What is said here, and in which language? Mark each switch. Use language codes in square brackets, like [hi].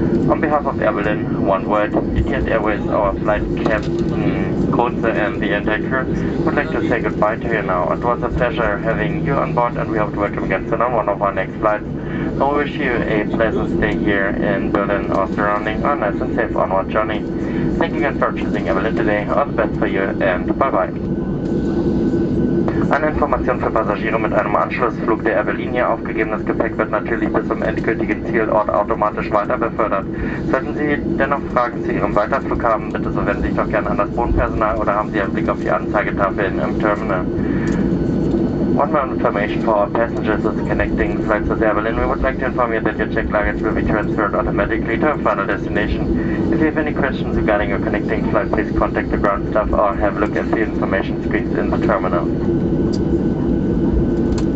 [en] On behalf of Air Berlin, One World, Etihad Airways, our flight captain Kurze and the entire crew would like to say goodbye to you now. It was a pleasure having you on board and we hope to welcome again soon on one of our next flights. I wish you a pleasant stay here in Berlin or surrounding on a nice and safe onward journey. Thank you again for choosing Air Berlin today. All the best for you and bye-bye. [de] Eine Information für Passagiere mit einem Anschlussflug der Air Berlin hier. Aufgegebenes Gepäck wird natürlich bis zum endgültigen Zielort automatisch weiter befördert. Sollten Sie dennoch Fragen zu Ihrem Weiterflug haben, bitte so wenden Sie sich doch gerne an das Bodenpersonal oder haben Sie einen Blick auf die Anzeigetafeln im Terminal. [en] One more information for our passengers with connecting flights with Air Berlin. We would like to inform you that your checked luggage will be transferred automatically to a final destination. If you have any questions regarding your connecting flight, please contact the ground staff or have a look at the information screens in the terminal.